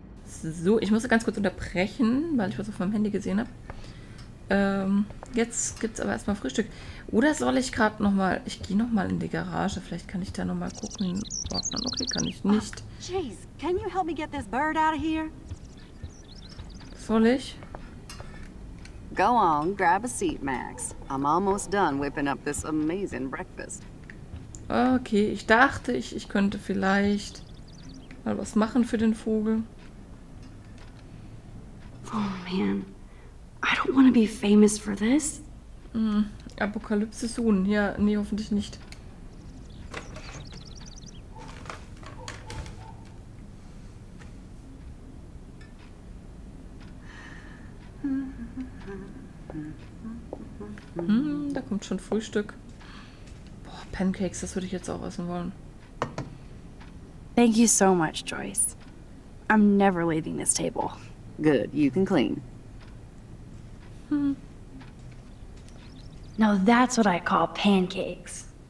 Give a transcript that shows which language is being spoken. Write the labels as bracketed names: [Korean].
[German] So, ich musste ganz kurz unterbrechen, weil ich was auf meinem Handy gesehen habe. Jetzt gibt's aber erstmal Frühstück. Oder soll ich gerade nochmal... Ich gehe nochmal in die Garage. Vielleicht kann ich da nochmal gucken. Ordnen. Okay, kann ich nicht. [English] Oh, geez. Can you help me get this bird out of here? [German] Soll ich? [English] Go on, grab a seat, Max. I'm almost done whipping up this amazing breakfast. [German] Okay, ich dachte, ich könnte vielleicht mal was machen für den Vogel. [English] Oh man, I don't want to be famous for this. Apokalypse soon. [German] Ja, nee, hoffentlich nicht. Da kommt schon Frühstück. Boah, Pancakes, das würde ich jetzt auch essen wollen. [English] Thank you so much, Joyce. I'm never leaving this table. Good, you can clean. Now that's what I call pancakes.